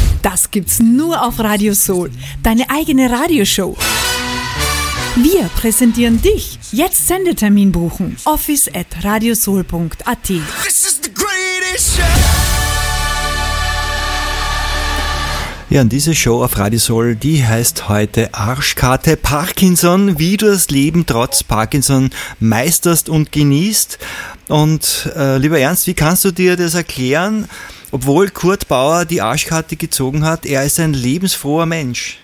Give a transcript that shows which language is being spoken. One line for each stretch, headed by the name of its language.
German: Das gibt's nur auf Radio Soul. Deine eigene Radioshow. Wir präsentieren dich. Jetzt Sendetermin buchen. office@radiosoul.at.
English: This is the greatest show.
German: Ja, und diese Show auf Radio Soul, die heißt heute Arschkarte Parkinson, wie du das Leben trotz Parkinson meisterst und genießt. Und lieber Ernst, wie kannst du dir das erklären, obwohl Kurt Bauer die Arschkarte gezogen hat, er ist ein lebensfroher Mensch.